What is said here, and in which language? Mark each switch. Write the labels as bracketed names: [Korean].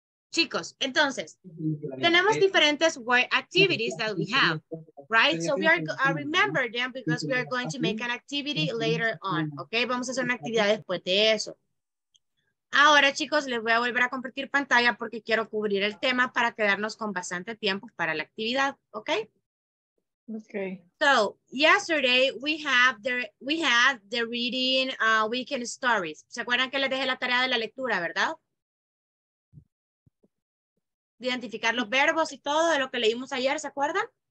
[Spanish] Chicos, entonces, tenemos diferentes [English] word activities that we have, right? So we are remember them because we are going to make an activity later on, okay? [Spanish] Vamos a hacer una actividad después de eso. Ahora, chicos, les voy a volver a compartir pantalla porque quiero cubrir el tema para quedarnos con bastante tiempo para la actividad, okay? [English] Okay. So, yesterday we had the reading weekend stories. [Spanish] ¿Se acuerdan que les dejé la tarea de la lectura, verdad? Identificar los verbos y todo de lo que leímos ayer, ¿se acuerdan?